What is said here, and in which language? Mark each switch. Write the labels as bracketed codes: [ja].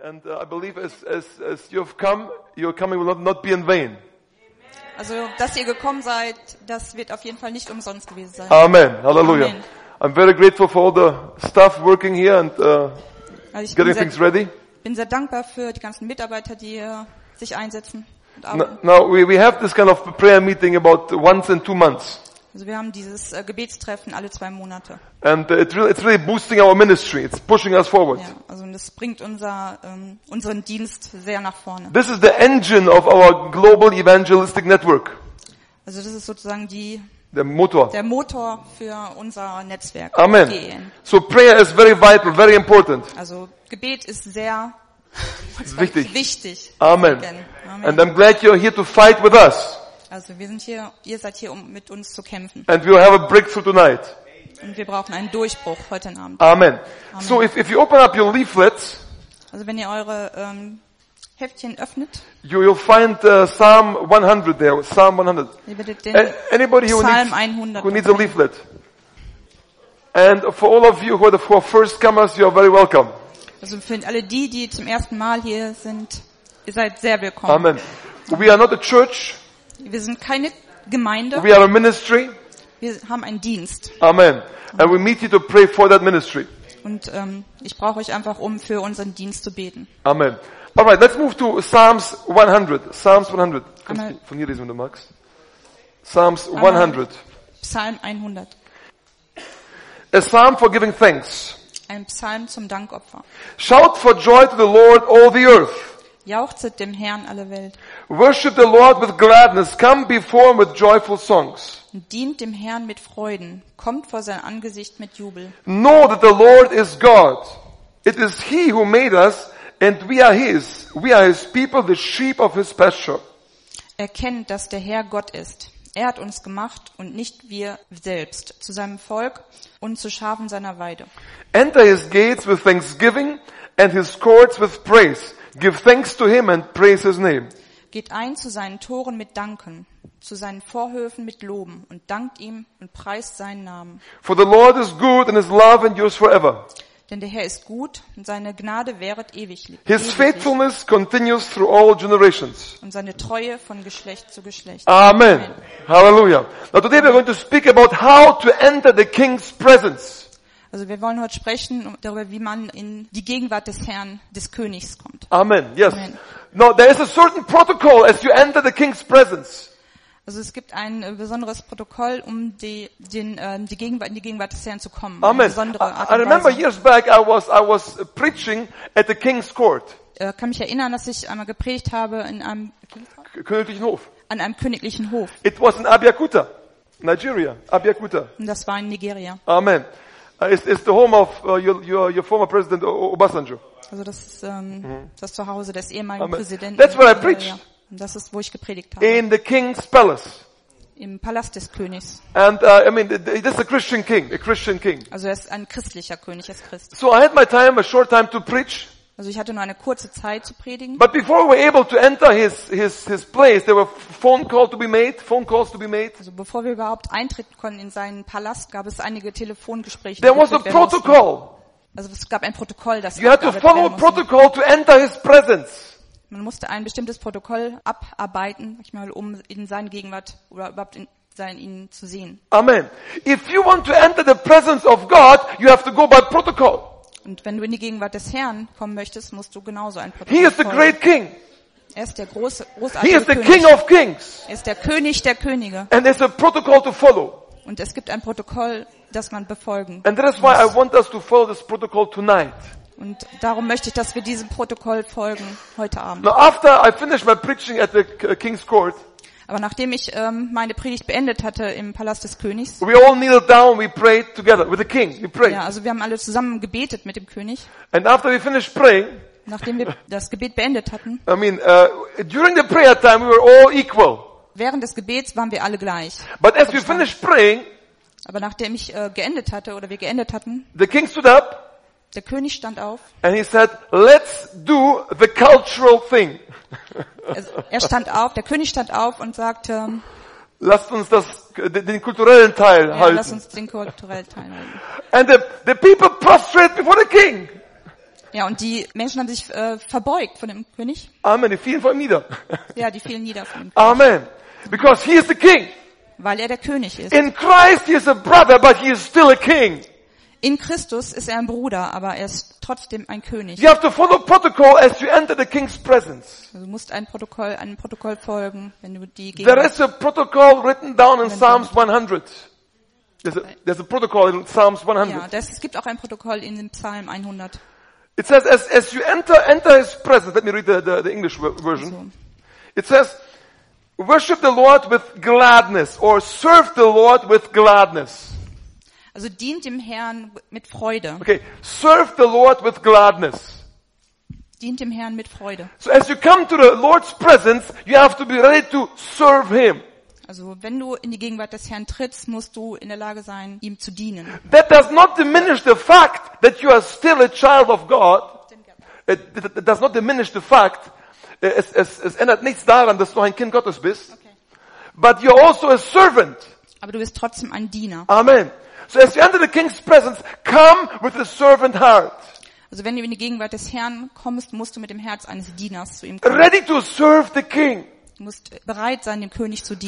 [en] And I believe as you've come, your coming will not be in vain. [de] Also, dass ihr gekommen seid, das wird auf jeden Fall nicht umsonst gewesen sein. Amen. Hallelujah. Amen. [en] I'm very grateful for all the staff working here and getting things ready. [de] Ich bin sehr dankbar für die ganzen Mitarbeiter, die sich einsetzen und arbeiten. [en] Now we have this kind of prayer meeting about once in 2 months. [de] Also wir haben dieses Gebetstreffen alle 2 Monate. [en] And it's really boosting our ministry. It's pushing us forward. [de] Ja, also das bringt unseren Dienst sehr nach vorne. [en] This is the engine of our global evangelistic network. [de] Also das ist sozusagen der Motor für unser Netzwerk. [en] Amen. So prayer is very vital, very important. [de] Also Gebet ist sehr wichtig. Amen. [en] And I'm glad you're here to fight with us. [de] Also wir sind hier, ihr seid hier, um mit uns zu kämpfen. [en] And we'll have a breakthrough tonight. [de] Und wir brauchen einen Durchbruch heute Abend. [en] Amen. So if you open up your leaflets, [de] also wenn ihr eure Heftchen öffnet, [en] you'll find Psalm 100 there. Psalm 100. [de] Ihr werdet den [en] anybody who Psalm 100 who needs a leaflet. And for all of you who are the first comers, you are very welcome. [de] Also für alle die zum ersten Mal hier sind, ihr seid sehr willkommen. [en] Amen. We are not a church. [de] Wir sind keine Gemeinde. [en] We are a ministry. [de] Wir haben einen Dienst. Amen. [en] And we meet you to pray for that ministry. [de] Und ich brauche euch einfach, um für unseren Dienst zu beten. [en] Amen. All right, let's move to Psalms 100. Psalms 100. [de] Kannst du von hier lesen, wenn du magst? [en] Psalms 100. [de] Psalm 100. [en] A psalm for giving thanks. [de] Ein Psalm zum Dankopfer. [en] Shout for joy to the Lord, all the earth. [de] Jauchzet dem Herrn alle Welt. [en] Worship the Lord with gladness. Come before him with joyful songs. [de] Dient dem Herrn mit Freuden. Kommt vor sein Angesicht mit Jubel. [en] Know that the Lord is God. It is he who made us and we are his. We are his people, the sheep of his pasture. [de] Erkennt, dass der Herr Gott ist. Er hat uns gemacht und nicht wir selbst zu seinem Volk und zu Schafen seiner Weide. [en] Enter his gates with thanksgiving and his courts with praise. Give thanks to him and praise his name. [de] Geht ein zu seinen Toren mit Danken, zu seinen Vorhöfen mit Loben und dankt ihm und preist seinen Namen. [en] For the Lord is good and his love endures forever. [de] Denn der Herr ist gut und seine Gnade währet ewiglich. [en] His faithfulness continues through all generations. [de] Und seine Treue von Geschlecht zu Geschlecht. Amen. Hallelujah. [en] Now today we're going to speak about how to enter the King's presence. [de] Also wir wollen heute sprechen darüber, wie man in die Gegenwart des Herrn, des Königs kommt. [en] Amen. Yes. Now there is a certain protocol as you enter the King's presence. [de] Also es gibt ein besonderes Protokoll, um in die Gegenwart des Herrn zu kommen. [en] Amen. [de] Eine besondere Art und Weise. [en] I remember years back I was preaching at the King's court. [de] Kann mich erinnern, dass ich einmal gepredigt habe in einem königlichen Hof. An einem königlichen Hof. [en] It was in Abeokuta, Nigeria. Abeokuta. [de] Und das war in Nigeria. Amen. [en] It's the home of your former president Obasanjo. [de] Also das ist das Zuhause des ehemaligen Amen. Präsidenten. [en] That's where I preached. [de] Und das ist, wo ich gepredigt habe. [en] In the King's palace. [de] Im Palast des Königs. [en] And I mean, this is a Christian king. [de] Also er ist ein christlicher König, er ist Christ. [en] So I had my time, a short time to preach. [de] Also ich hatte nur eine kurze Zeit zu predigen. [en] But before we were able to enter his place, there were phone calls to be made. [de] Also bevor wir überhaupt eintreten konnten in seinen Palast, gab es einige Telefongespräche. [en] There was a protocol. [de] Also es gab ein Protokoll, das [en] you had to follow a protocol to enter his presence. [de] Man musste ein bestimmtes Protokoll abarbeiten, um in seine Gegenwart oder überhaupt in sein ihn zu sehen. Amen. [en] If you want to enter the presence of God, you have to go by protocol. [de] Und wenn du in die Gegenwart des Herrn kommen möchtest, musst du genauso ein Protokoll. [en] He is the great king. [de] Er ist der große, großartige [en] König. He is the [de] König. [en] King of kings. [de] Er ist der König der Könige. [en] And there's a protocol to follow. [de] Und es gibt ein Protokoll, das man befolgen [en] muss. And that is why I want us to follow this protocol tonight. [de] Und darum möchte ich, dass wir diesem Protokoll folgen heute Abend. [en] Now after I finished my preaching at the King's court. [de] Aber nachdem ich meine Predigt beendet hatte im Palast des Königs. [en] We all kneeled down, we prayed together with the king. We prayed. [de] Ja, also wir haben alle zusammen gebetet mit dem König. [en] And after we finished praying. [de] Nachdem wir das Gebet beendet hatten. [en] I mean, during the prayer time we were all equal. [de] Während des Gebets waren wir alle gleich. [en] But as we finished praying. [de] Aber nachdem ich geendet hatte oder wir geendet hatten. [en] The king stood up. [de] Der König stand auf. [en] And he said, let's do the cultural thing. [de] Er stand auf, der König stand auf und sagte, lasst uns das, den kulturellen Teil ja, halten. Lasst uns den kulturellen Teil halten. [en] And the people prostrate before the king. [de] Ja, und die Menschen haben sich verbeugt von dem König. Amen. Die fielen vor ihm nieder. Ja, die fielen nieder von ihm. [en] Amen. Because he is the king. [de] Weil er der König ist. [en] In Christ he is a brother, but he is still a king. [de] In Christus ist er ein Bruder, aber er ist trotzdem ein König. [en] You have to follow protocol as you enter the king's presence. [de] Du musst einem Protokoll folgen, wenn du die Gegenwart. [en] There is a protocol written down in Psalms 100. There's a protocol in Psalms 100. [de] Ja, es gibt auch ein Protokoll in dem Psalm 100. [en] It says as you enter his presence. Let me read the English version. So. It says, worship the Lord with gladness or serve the Lord with gladness. [de] Also dient dem Herrn mit Freude. [en] Okay, serve the Lord with gladness. [de] Dient dem Herrn mit Freude. [en] So as you come to the Lord's presence, you have to be ready to serve him. [de] Also wenn du in die Gegenwart des Herrn trittst, musst du in der Lage sein, ihm zu dienen. [en] That does not diminish the fact that you are still a child of God. It does not diminish the fact. [de] Es ändert nichts daran, dass du ein Kind Gottes bist. [en] Okay. But you're also a servant. [de] Aber du bist trotzdem ein Diener. Amen. [en] So as you enter the king's presence, come with a servant heart. [de] Also wenn du in die Gegenwart des Herrn kommst, musst du mit dem Herz eines Dieners zu ihm kommen. [en] Ready to serve the king. [de] Du musst bereit sein, dem König zu dienen.